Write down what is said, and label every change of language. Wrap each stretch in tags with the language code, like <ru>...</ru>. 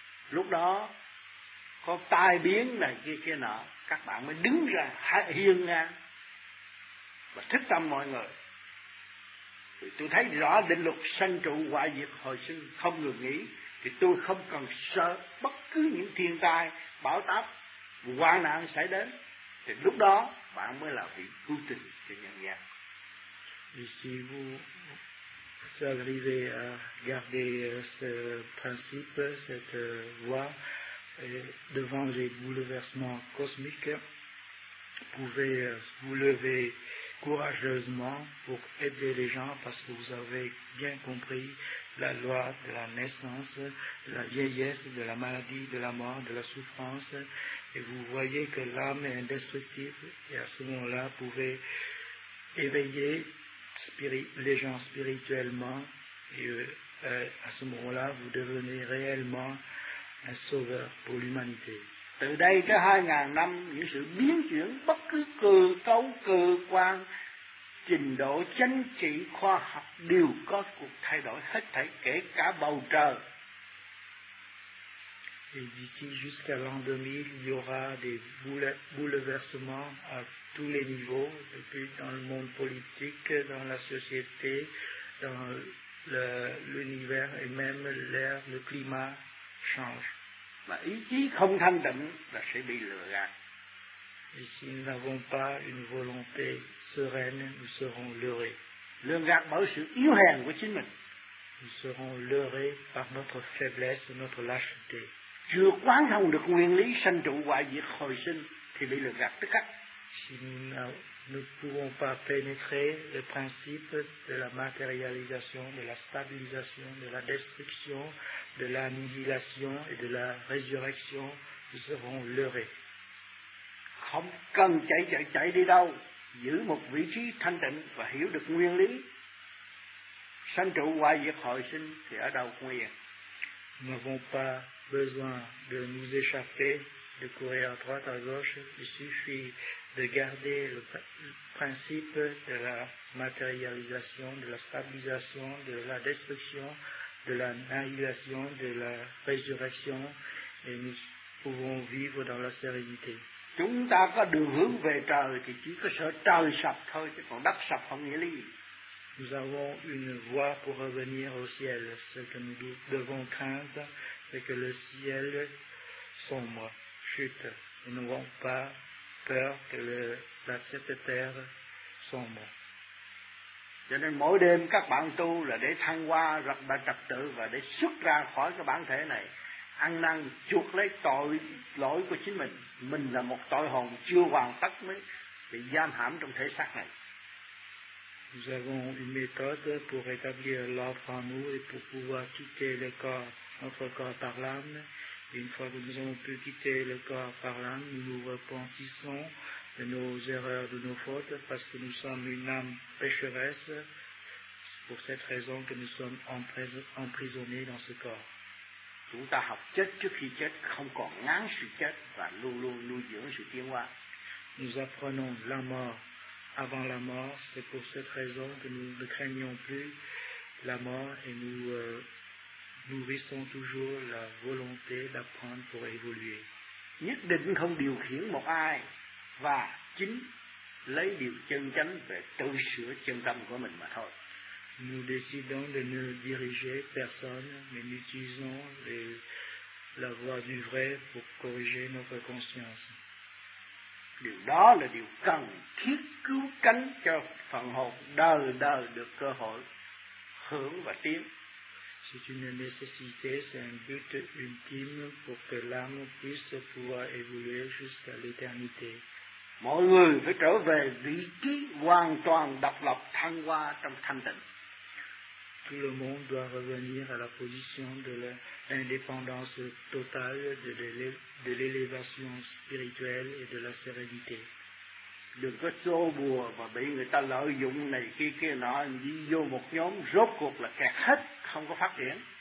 <vi>Lúc đó, có tai biến này kia kia nọ, các bạn mới đứng ra hiên ngang và thức tâm mọi người. Thì tôi thấy rõ định luật sanh trụ hoại diệt hồi sinh không ngừng nghỉ, thì tôi không cần sợ bất cứ những thiên tai, bão táp, hoạn nạn xảy đến. Thì lúc đó bạn mới là vị cứu tình cho nhân gian.</vi> <fr>Et si vous arrivez à garder ce principe, cette voie, et devant les bouleversements cosmiques, vous pouvez vous lever courageusement pour aider les gens parce que vous avez bien compris la loi de la naissance, de la vieillesse, de la maladie, de la mort, de la souffrance. Et vous voyez que l'âme est indestructible et à ce moment-là, vous pouvez éveiller les gens spirituellement et à ce moment-là, vous devenez réellement un sauveur pour l'humanité.</fr> <vi>Từ đây tới 2000 năm, những sự biến chuyển bất cứ cơ cấu, cơ quan, trình độ chính trị, khoa học đều có cuộc thay đổi hết thảy, kể cả bầu trời.</vi> <fr>Et d'ici jusqu'à l'an 2000, il y aura des bouleversements à tous les niveaux, depuis dans le monde politique, dans la société, dans l'univers et même l'air, le climat change.</fr> <vi>Mà ý chí không thanh tịnh là sẽ bị lừa gạt.</vi> <fr>Et si nous n'avons pas une volonté sereine, nous serons leurrés.</fr> <vi>Lừa gạt bởi sự yếu hèn của chính mình.</vi> <fr>Nous serons leurrés par notre faiblesse, notre lâcheté.</fr> <vi>Chưa quán thông được nguyên lý sanh trụ hoại diệt hồi sinh thì bị lừa gạt tức khắc.</vi> <fr>Si nous ne pouvons pas pénétrer le principe de la matérialisation, de la stabilisation, de la destruction, de l'annihilation et de la résurrection, nous serons leurrés.</fr> <vi>Không cần chạy đi đâu, giữ một vị trí thanh tịnh và hiểu được nguyên lý sanh trụ hoại diệt hồi sinh thì ở đâu cũng yên.</vi> <fr>Nous n'avons pas besoin de nous échapper, de courir à droite, à gauche. Il suffit de garder le principe de la matérialisation, de la stabilisation, de la destruction, de l'annihilation, de la résurrection, et nous pouvons vivre dans la sérénité.</fr> <vi>Chúng ta có đường hướng về trời thì chỉ có sợ trời sập thôi, chứ còn đất sập không nghĩa lý.</vi> <fr>Nous avons une voie pour revenir au ciel. Ce que nous devons craindre, c'est que le ciel sombre, chute. Nous n'avons pas peur que cette terre sombre.</fr> <vi>Cho nên mỗi đêm các bạn tu là để thăng hoa, rập bàn trật tự và để xuất ra khỏi cái bản thể này, ăn năn chuộc lấy tội lỗi của chính mình. Mình là một tội hồn chưa hoàn tất mới bị giam hãm trong thể xác này.</vi> <fr>Nous avons une méthode pour rétablir l'ordre en nous et pour pouvoir quitter le corps, notre corps par l'âme. Et une fois que nous avons pu quitter le corps par l'âme, nous nous repentissons de nos erreurs, de nos fautes, parce que nous sommes une âme pécheresse. C'est pour cette raison que nous sommes emprisonnés dans ce corps.</fr> <vi>Chúng ta học chết trước khi chết, không còn ngán sự chết và luôn luôn nuôi dưỡng sự tiến hóa.</vi> <fr>Nous apprenons la mort avant la mort, c'est pour cette raison que nous ne craignons plus la mort et nous nourrissons toujours la volonté d'apprendre pour évoluer.</fr> <vi>Nhất định không điều khiển một ai và chính lấy điều chân chánh về tự sửa chân tâm của mình mà thôi.</vi> <fr>Nous décidons de ne diriger personne, mais nous utilisons la voie du vrai pour corriger notre conscience.</fr> <vi>Điều đó là điều cần thiết cứu cánh cho phần hồn đời đời được cơ hội hưởng và tiến.</vi> <fr>C'est une nécessité, c'est un but ultime pour que l'âme puisse pouvoir évoluer jusqu'à l'éternité.</fr> <vi>Mọi người phải trở về vị trí hoàn toàn độc lập thăng hoa trong thanh tịnh.</vi> <fr>Tout le monde doit revenir à la position de l'indépendance totale, de l'élévation spirituelle et de la sérénité.</fr> <vi>Đừng có xô bùa mà bị người ta lợi dụng này kia nọ, đi vô một nhóm rốt cuộc là kẹt hết, không có phát triển.</vi>